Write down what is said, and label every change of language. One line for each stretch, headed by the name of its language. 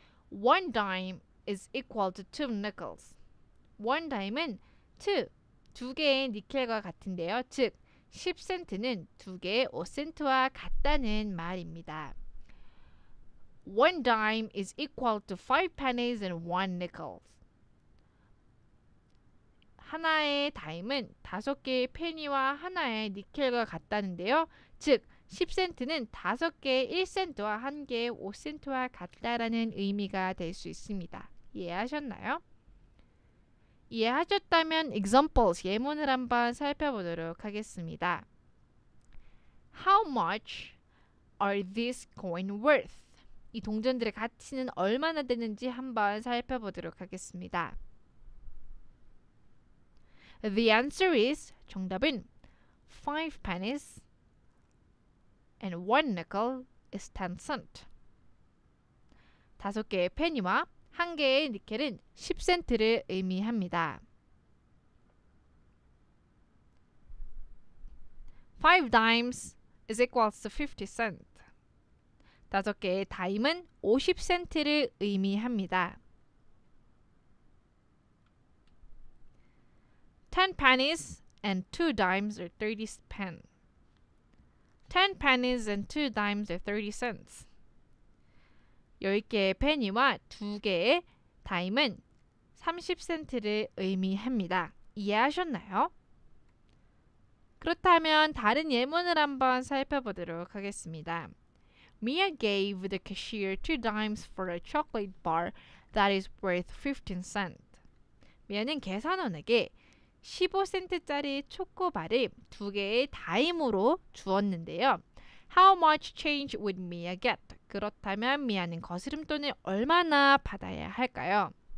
English: One dime is equal to 2 nickels. One dime은
Korean: 두 개의 니켈과 같은데요. 즉, 10센트는 두 개의 5센트와 같다는 말입니다.
English: One dime is equal to 5 pennies and 1 nickels.
Korean: 하나의 다임은 다섯 개의 페니와 하나의 니켈과 같다는데요. 즉, 10센트는 다섯 개의 1센트와 한 개의 5센트와 같다라는 의미가 될 수 있습니다. 이해하셨나요? 이해하셨다면 examples 예문을 한번 살펴보도록 하겠습니다.
English: How much are this coin worth?
Korean: 이 동전들의 가치는 얼마나 되는지 한번 살펴보도록 하겠습니다.
English: The answer is
Korean: 정답은
English: 5 pennies and 1 nickel is 10 cents.
Korean: 다섯 개의 페니와 한 개의 니켈은 10센트를 의미합니다.
English: 5 dimes is equal to 50 cents.
Korean: 다섯 개의 다임은 50센트를 의미합니다.
English: 10 pennies and 2 dimes are 30 pence. 10 pennies and 2 dimes are 30 cents.
Korean: 10개의 페니와 2개의 다임은 30센트를 의미합니다. 이해하셨나요? 그렇다면 다른 예문을 한번 살펴보도록 하겠습니다.
English: Mia gave the cashier 2 dimes for a chocolate bar that is worth 15 cents.
Korean: Mia는 계산원에게 15센트짜리 초코바를 2개의 다임으로 주었는데요.
English: How much change would Mia get?
Korean: 그렇다면 미아는 거스름돈을 얼마나 받아야 할까요?